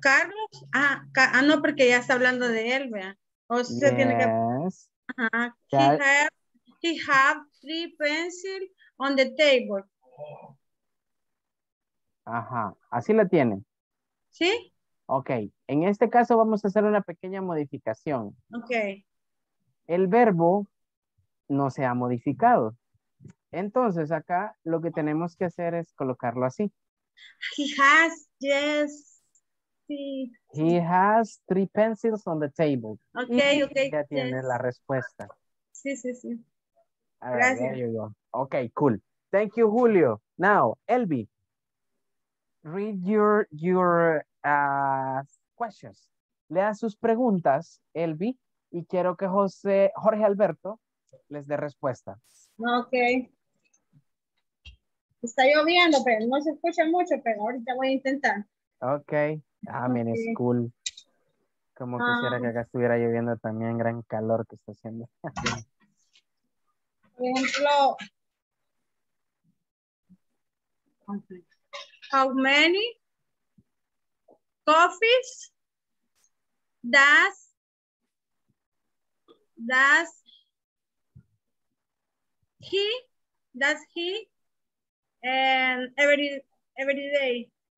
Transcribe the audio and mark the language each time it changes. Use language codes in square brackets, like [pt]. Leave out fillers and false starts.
[es] Carlos, no, porque ya está hablando de él, vea, o sea, [en] yes. [es] Tiene que, [en] he have three pencil, on the table. [es] Ajá, así la tiene. ¿Sí? Ok, en este caso vamos a hacer una pequeña modificación. Ok. El verbo no se ha modificado. Entonces acá lo que tenemos que hacer es colocarlo así. [en] He has, yes. Sí. He has three pencils on the table. [es] Ok. Ya tiene la respuesta. Sí. [en] All right, there you go. Okay, cool. Thank you, Julio. Now, Elvi, read your questions. [es] Lea sus preguntas, Elvi, y quiero que Jorge Alberto les dé respuesta. Ok. Está lloviendo, pero no se escucha mucho, pero ahorita voy a intentar. Ok. Amén, okay. Es cool. Como quisiera que acá estuviera lloviendo también, gran calor que está haciendo. Por ejemplo, [en] how many coffees does he every day?